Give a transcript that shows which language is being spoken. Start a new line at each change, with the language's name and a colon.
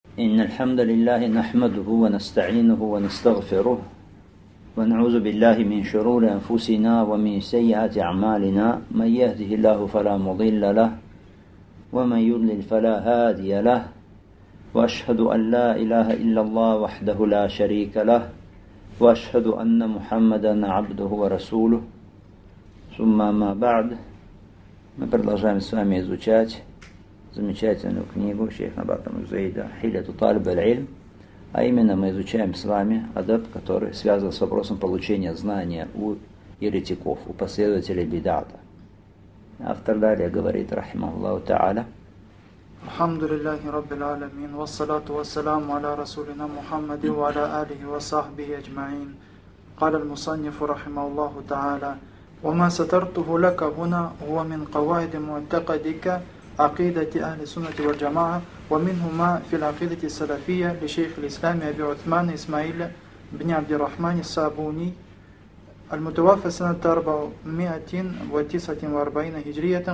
Arabic: إن الحمد لله نحمده ونستعينه ونستغفره ونعوذ بالله من شرور أنفسنا ومن سيئات أعمالنا، من يهده الله فلا مضل له ومن يضلل فلا هادي له، وأشهد أن لا إله إلا الله وحده لا شريك له، وأشهد أن محمدا عبده ورسوله. ثم ما بعد،
Russian: мы продолжаем с вами изучать замечательную книгу шейха Батам Зейда «Хилету Талиб Аль-Ильм», а именно мы изучаем с вами адаб, который связан с вопросом получения знания у еретиков, у последователей бидата. Автор далее говорит, рахима Аллаху Та'аля.
Arabic: الحمد لله رب العالمين والصلاة والسلام على رسولنا محمد وعلى آله وصحبه أجمعين. قال المصنف رحمه الله تعالى: وما سترته لك هنا هو من قواعد معتقدك عقيدة أهل السنة والجماعة، ومنهما في العقيدة السلفية لشيخ الإسلام أبي عثمان إسماعيل بن عبد الرحمن الصابوني المتوفى سنة 449 هجرية.